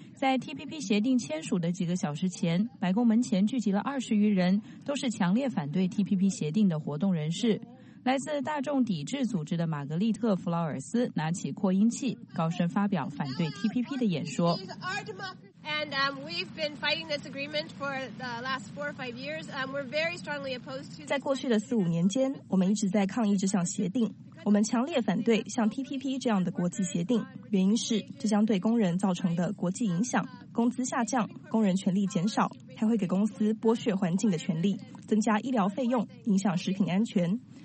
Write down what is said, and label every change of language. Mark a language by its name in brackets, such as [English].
[Chinese] 在 TPP 协定签署的几个小时前，白宫门前聚集了20余人，都是强烈反对 TPP 协定的活动人士。来自大众抵制组织的玛格丽特·弗劳尔斯拿起扩音器，高声发表反对 TPP 的演说。 [English] And we've been fighting this agreement for the last four or five years. We're very strongly opposed to. [Chinese] 在过去的四五年间，我们一直在抗议这项协定。我们强烈反对像 TPP 这样的国际协定，原因是这将对工人造成的国际影响：工资下降、工人权利减少，还会给公司剥削环境的权利，增加医疗费用，影响食品安全。